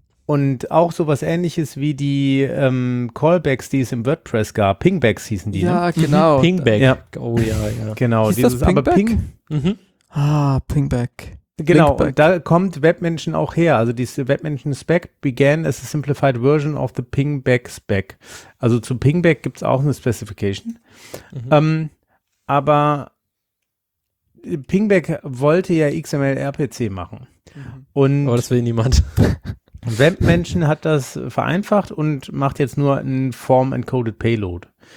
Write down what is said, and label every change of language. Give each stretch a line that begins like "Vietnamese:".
German: Und auch sowas Ähnliches wie die Callbacks, die es im WordPress gab. Pingbacks hießen die, ja, ne? Ja, genau. Pingback. Ja. Oh ja, ja. Genau. Hieß dieses, das Pingback? Aber Ping. Mhm. Ah, Pingback. Genau, Linkback. Und da kommt Webmenschen auch her. Also diese
English: Webmenschen-Spec began as a simplified version of the Pingback-Spec.
German: Also zu Pingback gibt es auch eine Specification. Mhm. Aber Pingback wollte ja XML-RPC machen. Mhm. Und aber das will niemand. Webmenschen hat das vereinfacht und macht jetzt nur ein Form-Encoded Payload.